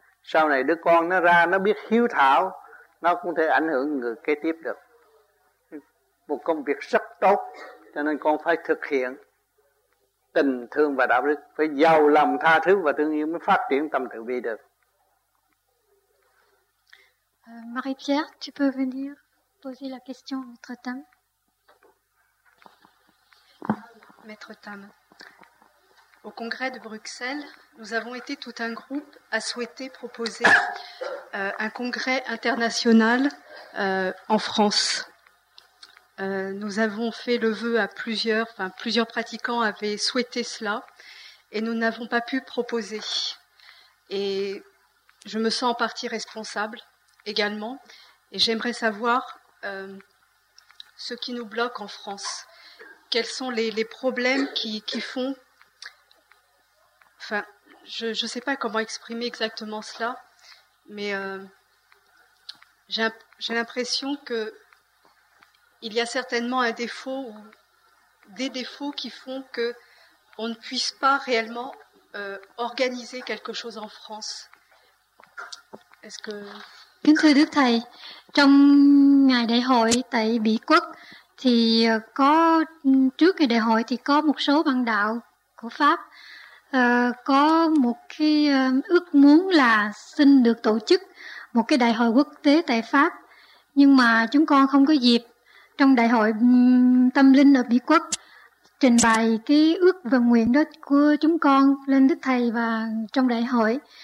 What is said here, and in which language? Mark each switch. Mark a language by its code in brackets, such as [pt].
[vi] Sau này đứa con nó ra, nó biết hiếu thảo, nó cũng thể ảnh hưởng người kế tiếp được. Một công việc rất tốt, cho nên con phải thực hiện tình thương và đạo đức, phải giàu lòng tha thứ và thương yêu mới phát triển tâm từ bi được. [fr] Marie-Pierre, tu peux venir poser la question à Maître Tam. Maître Tam, au congrès de Bruxelles, nous avons été tout un groupe à souhaiter proposer un congrès international en France. Nous avons fait le vœu à plusieurs, enfin plusieurs pratiquants avaient souhaité cela et nous n'avons pas pu proposer. Et je me sens en partie responsable également et j'aimerais savoir ce qui nous bloque en France. Quels sont les problèmes qui font, enfin je ne sais pas comment exprimer exactement cela, mais j'ai l'impression que il y a certainement un défaut ou des défauts qui font que on ne puisse pas réellement organiser quelque chose en France. Est-ce que [vi] Kính thưa Đức Thầy, trong ngày đại hội tại Mỹ Quốc thì có trước ngày đại hội thì có một số băng đạo của Pháp có một cái ước muốn là xin được tổ chức một cái đại hội quốc tế tại Pháp, nhưng mà chúng con không có dịp trong đại hội tâm linh ở Mỹ Quốc trình bày cái ước và nguyện đó của chúng con lên Đức Thầy và trong đại hội.